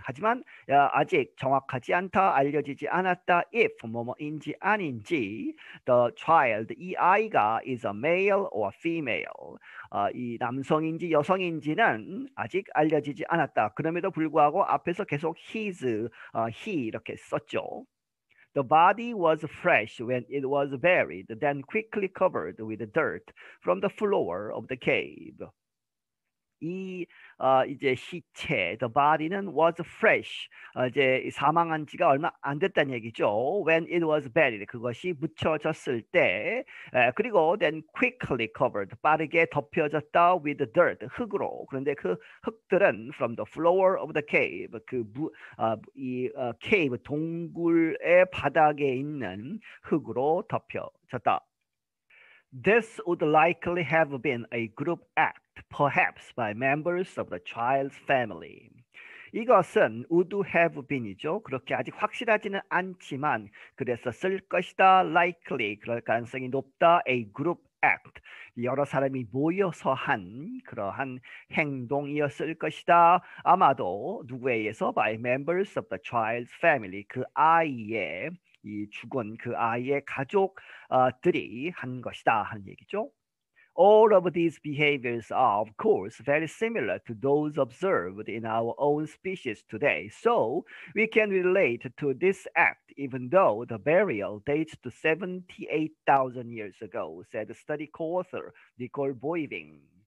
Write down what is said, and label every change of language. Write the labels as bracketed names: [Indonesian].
[Korean] 하지만 아직 정확하지 않다, 알려지지 않았다. [English] If [Korean] 뭐뭐인지 아닌지, [English] the child, [Korean] 이 아이가 [English] is a male or female. [Korean] 이 남성인지 여성인지는 아직 알려지지 않았다. 그럼에도 불구하고 앞에서 계속 his, he 이렇게 썼죠. [English] The body was fresh when it was buried, then quickly covered with dirt from the floor of the cave. [Korean] 이제 시체, [English] the body [Korean] 는 [English] was fresh. [Korean] 이제 사망한 지가 얼마 안 됐단 얘기죠. [English] When it was buried, [Korean] 그것이 묻혀졌을 때, 그리고 [English] then quickly covered, [Korean] 빠르게 덮여졌다 [English] with dirt, [Korean] 흙으로. 그런데 그 흙들은 [English] from the floor of the cave, [Korean] 그 무, 아, 이, 아, cave 동굴의 바닥에 있는 흙으로 덮여졌다. [English] This would likely have been a group act. Perhaps by members of the child's family. [Korean] 이것은 [English] would have been [Korean] 이죠. 그렇게 아직 확실하지는 않지만 그랬었을 것이다. [English] Likely [Korean] 그럴 가능성이 높다. [English] A group act. [Korean] 여러 사람이 모여서 한 그러한 행동이었을 것이다. 아마도 누구에 의해서? [English] By members of the child's family. [Korean] 그 아이의 이 죽은 그 아이의 가족들이 한 것이다 하는 얘기죠. [English] All of these behaviors are, of course, very similar to those observed in our own species today. So we can relate to this act, even though the burial dates to 78,000 years ago, said study co-author Nicole Boiving.